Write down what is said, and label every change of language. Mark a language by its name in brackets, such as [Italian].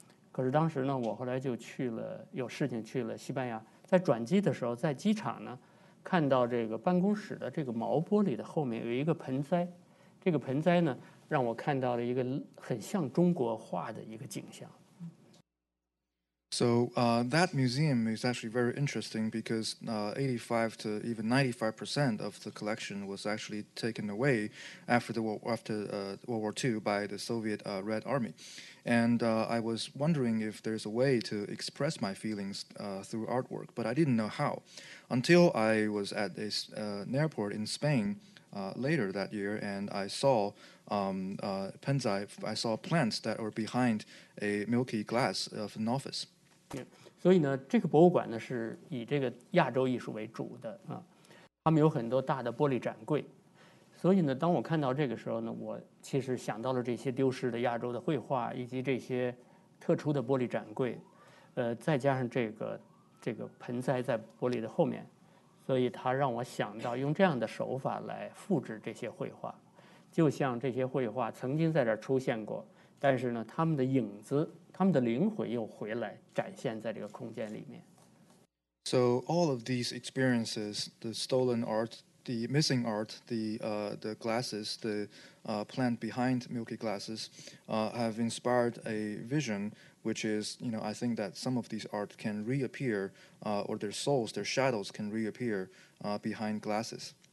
[Chinese] 可是当时呢，我后来就去了，有事情去了西班牙，在转机的时候，在机场呢，看到这个办公室的这个毛玻璃的后面有一个盆栽，这个盆栽呢，让我看到了一个很像中国画的一个景象。 [English] So that museum is actually very interesting because 85% to even 95% of the collection was actually taken away after World War II by the Soviet Red Army. And I was wondering if there's a way to express my feelings through artwork, but I didn't know how. Until I was at an airport in Spain later that year, and I saw I saw plants that were behind a milky glass of an office. [Chinese] 所以呢，这个博物馆呢是以这个亚洲艺术为主的啊，他们有很多大的玻璃展柜，所以呢，当我看到这个时候呢，我其实想到了这些丢失的亚洲的绘画以及这些特殊的玻璃展柜，再加上这个盆栽在玻璃的后面，所以它让我想到用这样的手法来复制这些绘画，就像这些绘画曾经在这儿出现过，但是呢，他们的影子。他们的灵魂又回来展现在这个空间里面。 [English] So all of these experiences, the stolen art, the missing art, the glasses, the plant behind milky glasses, have inspired a vision, which is, you know, I think that some of these art can reappear, or their souls, their shadows can reappear, behind glasses.